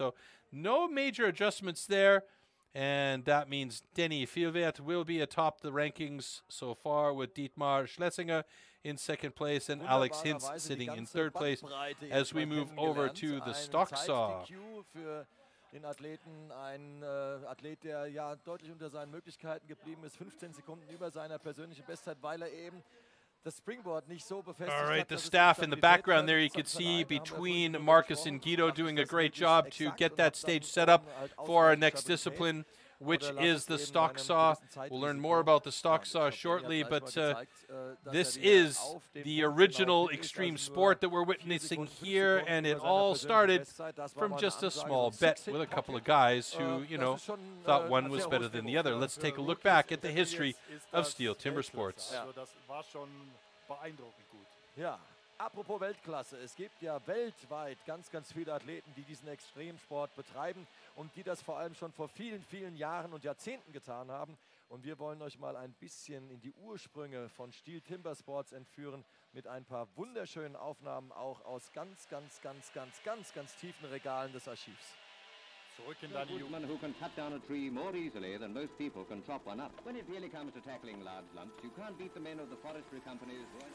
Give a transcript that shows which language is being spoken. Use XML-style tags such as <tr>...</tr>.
<en>So no major adjustments there. And that means Denny Fielwert will be atop the rankings so far, with Dietmar Schlesinger in second place and Alex Hinz sitting in third place, as we move over to the stock saw.</en> <de>Den Athleten, ein Athlet, der ja deutlich unter seinen Möglichkeiten geblieben ist, 15 Sekunden über seiner persönlichen Bestzeit, weil eben das Springboard nicht so befestigt hat.</de> <en>All right, the staff in the background there, you can see between Marcus and Guido doing a great job to get that stage set up for our next discipline, which is the stock saw. We'll learn more about the stock saw shortly, but this is the original extreme sport that we're witnessing here, and it all started from just a small bet with a couple of guys who, you know, thought one was better than the other. Let's take a look back at the history of Steel Timber Sports.</en> <de>Apropos Weltklasse, es gibt ja weltweit ganz, ganz viele Athleten, die diesen Extremsport betreiben und die das vor allem schon vor vielen, vielen Jahren und Jahrzehnten getan haben. Und wir wollen euch mal ein bisschen in die Ursprünge von STIHL TIMBERSPORTS entführen mit ein paar wunderschönen Aufnahmen auch aus ganz, ganz, ganz, ganz, ganz, ganz tiefen Regalen des Archivs. Zurück in deine Jugend.</de> <en>Who can cut down a tree more easily than most people can chop one up. When it really comes to tackling large lumps, you can't beat the men of the forestry companies.</en>